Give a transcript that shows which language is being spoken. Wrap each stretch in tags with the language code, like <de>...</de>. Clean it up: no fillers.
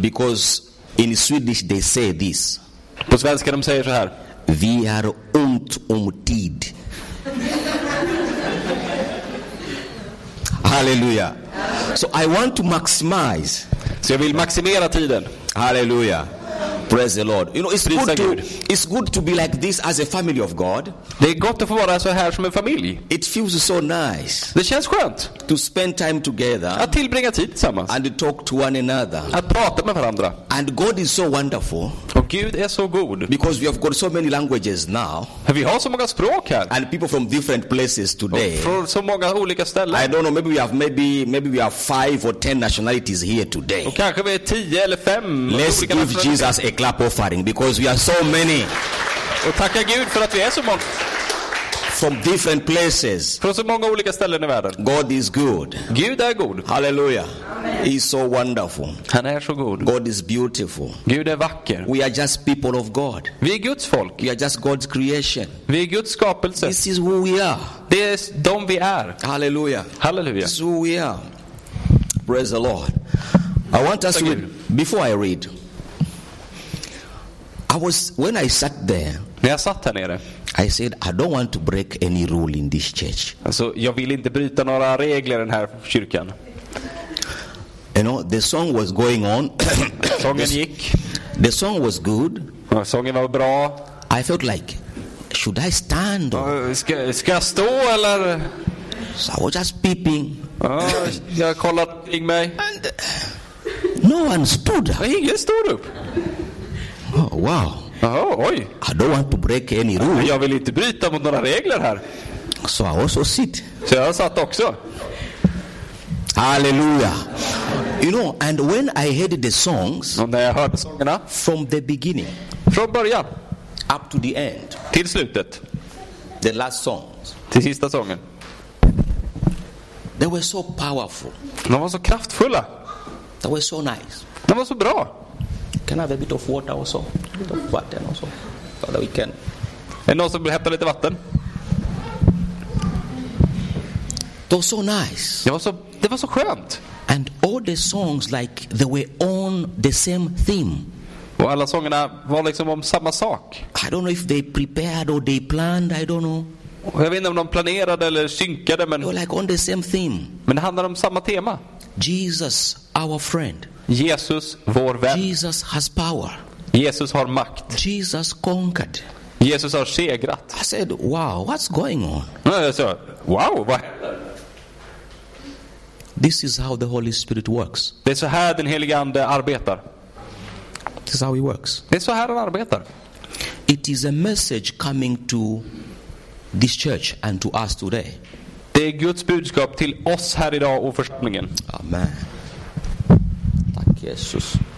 <en>Because in Swedish they say this.</en> <sv>På svenska de säger så här. Vi är ont om tid.</sv> <en>Halleluja. So I want to maximize.</en> <sv>Så jag vill maximera tiden.</sv> <en>Halleluja. Praise the Lord. You know, it's good to be like this as a family of God.</en> <sv>Det är gott att få vara så här som en familj.</sv> <en>It feels so nice.</en> <sv>Det känns skönt.</sv> <en>To spend time together.</en> <sv>Att tillbringa tid tillsammans.</sv> <en>And to talk to one another.</en> <sv>Att prata med varandra.</sv> <en>And God is so wonderful.</en> <sv>Och Gud är så god.</sv> <en>Because we have got so many languages now.</en> <sv>Vi har så många språk här.</sv> <en>And people from different places today.</en> <sv>Och från så många olika ställen.</sv> <en>I don't know, maybe we have 5 or 10 nationalities here today.</en> <sv>Och kanske vi är 10 eller 5.</sv> <en>Let's give Jesus a clap offering because we are so many.</en> <sv>Och tacka Gud för att vi är så många.</sv> <en>From different places.</en> <sv>Från så många olika ställen i världen.</sv> <en>God is good.</en> <sv>Gud är god.</sv> <en>Hallelujah. He is so wonderful.</en> <sv>Han är så god.</sv> <en>God is beautiful.</en> <sv>Gud är vacker.</sv> <en>We are just people of God.</en> <sv>Vi är Guds folk.</sv> <en>We are just God's creation.</en> <sv>Vi är Guds skapelse.</sv> <en>This is who we are.</en> <sv>Det är de vi är.</sv> <en>Hallelujah. Hallelujah. This is who we are. Praise the Lord. I want us to read, before I read. When I sat there.</en> <sv>När jag satt här nere.</sv> <en>I said I don't want to break any rule in this church.</en> <sv>Alltså, jag vill inte bryta några regler i den här kyrkan.</sv> <en>You know, the song was going on.</en> <sv>Sången gick.</sv> <en>The song was good.</en> <sv>Ja, sången var bra.</sv> <en>I felt like should I stand or</en> <sv>ska jag stå eller?</sv> <en>So I was just peeping.</en> <sv>Ja, jag kollade kring mig.</sv> <en>And no one stood.</en> <sv>Ingen stod upp.</sv> <en>Oh, wow.</en> <sv>Oh, oj.</sv> <en>I don't want to break any rule.</en> <sv>Jag vill inte bryta mot några regler här.</sv> <en>So I also sit.</en> <sv>Så jag satt också. Halleluja.</sv> <en>You know, and when I heard the songs,</en> <sv>och när jag hörde sångerna,</sv> <en>from the beginning,</en> <sv>från början,</sv> <en>up to the end,</en> <sv>till slutet,</sv> <en>the last songs,</en> <sv>till sista sången,</sv> <en>they were so powerful.</en> <sv>De var så kraftfulla.</sv> <en>They were so nice.</en> <sv>De var så bra.</sv> <en>Can I have a bit of water also? A bit of water also. So that we can.</en> <sv>Är någon som vill hämta lite vatten?</sv> <en>It was so nice.</en> <sv>Det var så skönt.</sv> <en>And all the songs like they were on the same theme.</en> <sv>Och alla sångerna var liksom om samma sak.</sv> <en>I don't know if they prepared or they planned, I don't know.</en> <sv>Och jag vet inte om de planerade eller synkade, men</sv> <en>they were like on the same theme.</en> <sv>Men det handlar om samma tema.</sv> <en>Jesus, our friend.</en> <sv>Jesus, vår vän.</sv> <en>Jesus has power.</en> <sv>Jesus har makt.</sv> <en>Jesus conquered.</en> <sv>Jesus har segrat.</sv> <en>I said, wow, what's going on?</en> <sv>Sa, wow, vad?</sv> <en>This is how the Holy Spirit works.</en> <sv>Det är så här den helige ande arbetar.</sv> <en>This is how he works.</en> <sv>Det är så här han arbetar.</sv> <en>It is a message coming to this church and to us today.</en> <sv>Det är Guds budskap till oss här idag och församlingen. Amen. Tack Jesus.</sv>